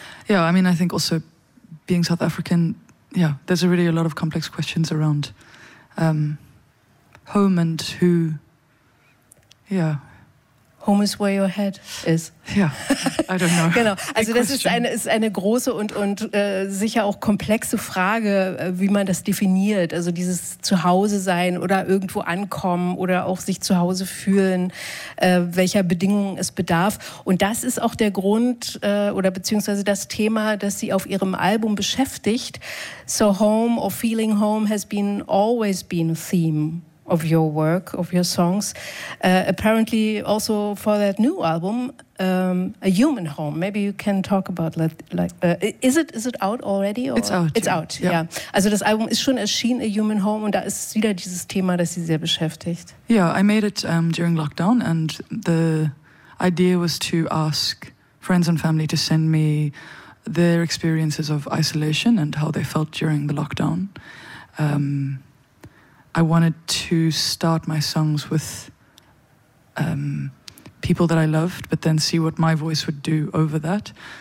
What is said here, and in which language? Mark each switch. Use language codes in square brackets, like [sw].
[en] Yeah, I mean, I think also being South African, yeah, there's already a lot of complex questions around home and who, yeah. Home is where your head is. Ja, I don't know. [de] Genau, also das ist eine große und sicher auch komplexe Frage, wie man das definiert. Also dieses Zuhause sein oder irgendwo ankommen oder auch sich zu Hause fühlen, welcher Bedingungen es bedarf. Und das ist auch der Grund oder beziehungsweise das Thema, das sie auf ihrem Album beschäftigt. [en] So home or feeling home has always been a theme of your work, of your songs, apparently also for that new album, A Human Home. Maybe you can talk about is it out already? Or? It's out. It's out. Yeah. Yeah. [de] Also das Album ist schon erschienen, A Human Home, und da ist wieder dieses Thema, das sie sehr beschäftigt. [en] Yeah, I made it during lockdown, and the idea was to ask friends and family to send me their experiences of isolation and how they felt during the lockdown. I wanted to start my songs with people that I loved, but then see what my voice would do over that.